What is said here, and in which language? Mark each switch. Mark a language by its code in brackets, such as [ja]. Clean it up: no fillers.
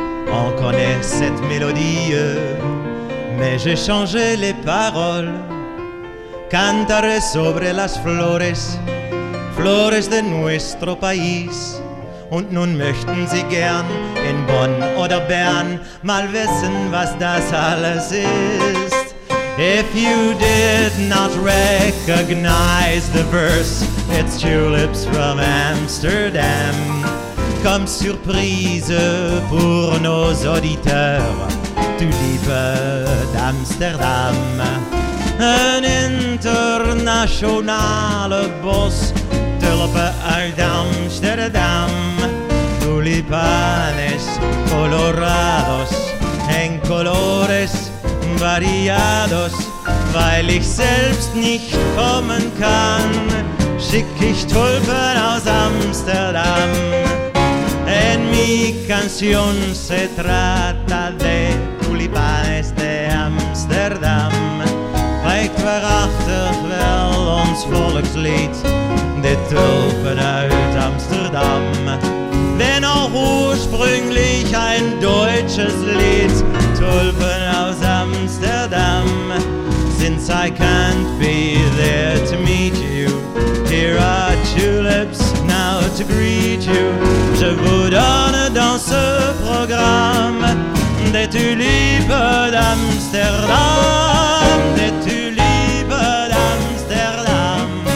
[fr] On connaît cette mélodie, mais j'ai changé les paroles. [es] Cantaré sobre las flores, flores de nuestro país. [de] Und nun möchten Sie gern in Bonn oder Bern mal wissen, was das alles ist. [en] If you did not recognize the verse, it's tulips from Amsterdam. [fr] Comme surprise pour nos auditeurs, tulipes d'Amsterdam. Un international boss, tulipes d'Amsterdam. [es] Tulipanes colorados en colores variados, [de] weil ich selbst nicht kommen kann, schick ich Tulpen aus Amsterdam. [es] En mi canción se trata de tulipanes de Amsterdam. [de] Vielleicht verachtet [nl] wel ons volkslied, de Tulpen uit Amsterdam. [de] Wenn auch ursprünglich ein deutsches Lied, Tulpen aus Amsterdam. [en] Since I can't be there to meet you, here are tulips now to greet you. [fr] Je vous donne dans ce programme des tulipes d'Amsterdam, des tulipes d'Amsterdam.